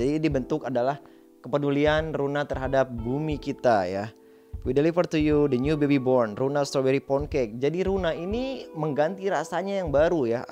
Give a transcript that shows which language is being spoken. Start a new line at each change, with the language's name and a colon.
Indonesian: Jadi ini bentuk adalah kepedulian Runa terhadap bumi kita ya.
English: We deliver to you the new baby born Runa Strawberry Pound Cake.
Indonesian: Jadi Runa ini mengganti rasanya yang baru ya.